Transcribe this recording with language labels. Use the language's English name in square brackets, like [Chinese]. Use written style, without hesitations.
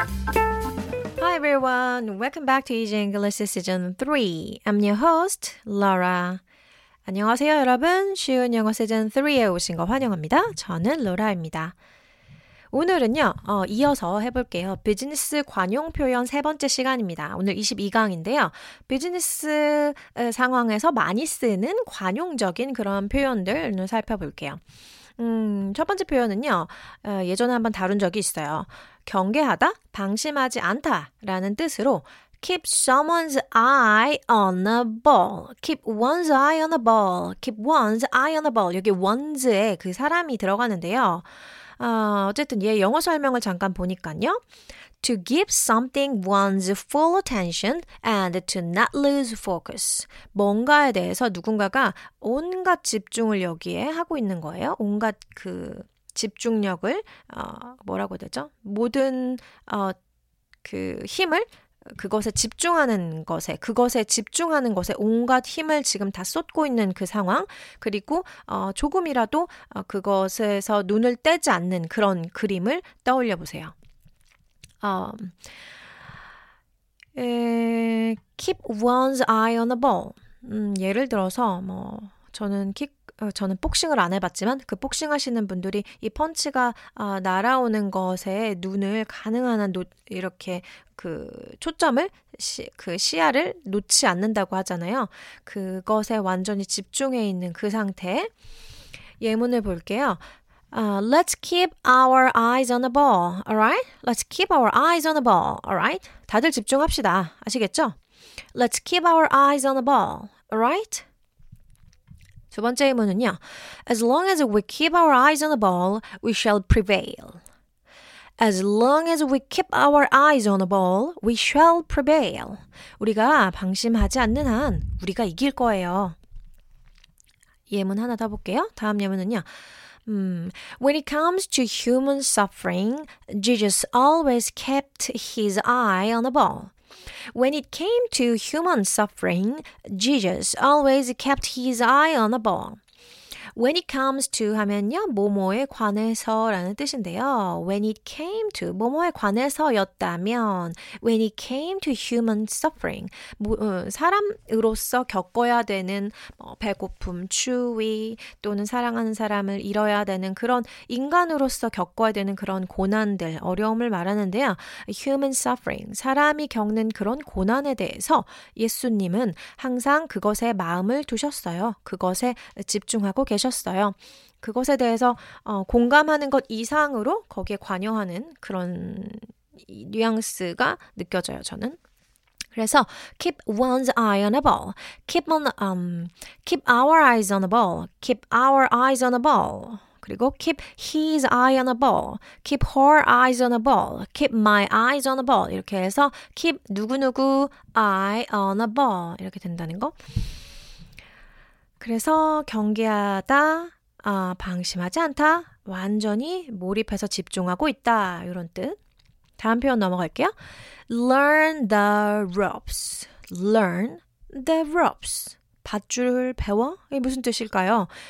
[English] Welcome back to Easy English Season 3. I'm your host, Laura. [Korean] 안녕하세요, 여러분. 쉬운 영어 시즌 3에 오신 거 환영합니다. 저는 로라입니다. 오늘은요, 이어서 해볼게요. 비즈니스 관용표현 세 번째 시간입니다. 오늘 22강인데요. 비즈니스 상황에서 많이 쓰는 관용적인 그런 표현들을 살펴볼게요. 첫 번째 표현은요, 예전에 한번 다룬 적이 있어요. 경계하다, 방심하지 않다라는 뜻으로 [English] keep someone's eye on the ball. [Korean] keep one's eye on the ball. keep one's eye on the ball. 여기 one's에 그 사람이 들어가는데요. 어쨌든 얘 영어 설명을 잠깐 보니까요. [English] To give something one's full attention and to not lose focus. [Korean] 뭔가에 대해서 누군가가 온갖 집중을 여기에 하고 있는 거예요. 온갖 그 집중력을 뭐라고 해야 되죠? 모든 그 힘을 그것에 집중하는 것에 온갖 힘을 지금 다 쏟고 있는 그 상황 그리고 조금이라도 그것에서 눈을 떼지 않는 그런 그림을 떠올려 보세요. [English] Keep one's eye on the ball. [Korean] 예를 들어서 뭐 저는 복싱을 안 해봤지만 그 복싱 하시는 분들이 이 펀치가 날아오는 것에 눈을 가능한 한 이렇게 그 초점을 그 시야를 놓지 않는다고 하잖아요. 그것에 완전히 집중해 있는 그 상태. 예문을 볼게요. [English] Let's keep our eyes on the ball, alright? Let's keep our eyes on the ball, alright? [Korean] 다들 집중합시다. 아시겠죠? [English] Let's keep our eyes on the ball, alright? [Korean] 두 번째 의문은요. [English] As long as we keep our eyes on the ball, we shall prevail. As long as we keep our eyes on the ball, we shall prevail. [Korean] 우리가 방심하지 않는 한 우리가 이길 거예요. 예문 하나 더 볼게요. 다음 예문은요. [English] When it comes to human suffering, Jesus always kept his eye on the ball. When it came to human suffering, Jesus always kept his eye on the ball. When it comes to [Korean] 하면요, 뭐뭐에 관해서라는 뜻인데요. [English] When it came to, [Korean] 뭐뭐에 관해서였다면, [English] when it came to human suffering, [Korean] 사람으로서 겪어야 되는 배고픔, 추위, 또는 사랑하는 사람을 잃어야 되는 그런 인간으로서 겪어야 되는 그런 고난들, 어려움을 말하는데요. [English] Human suffering, [Korean] 사람이 겪는 그런 고난에 대해서 예수님은 항상 그것에 마음을 두셨어요. 그것에 집중하고 계셨어요. 그것에 대해서 공감하는 것 이상으로 거기에 관여하는 그런 뉘앙스가 느껴져요. 저는 그래서 [English] keep one's eye on the ball, keep on keep our eyes on the ball, keep our eyes on the ball, [Korean] 그리고 [English] keep his eye on the ball, keep her eyes on the ball, keep my eyes on the ball [Korean] 이렇게 해서 [English] keep [Korean] 누구누구 [English] eye on the ball [Korean] 이렇게 된다는 거. 그래서 경계하다, 방심하지 않다, 완전히 몰입해서 집중하고 있다 이런 뜻. 다음 표현 넘어갈게요. [English] Learn the ropes. Learn the ropes. [Korean] 밧줄을 배워? 이게 무슨 뜻일까요?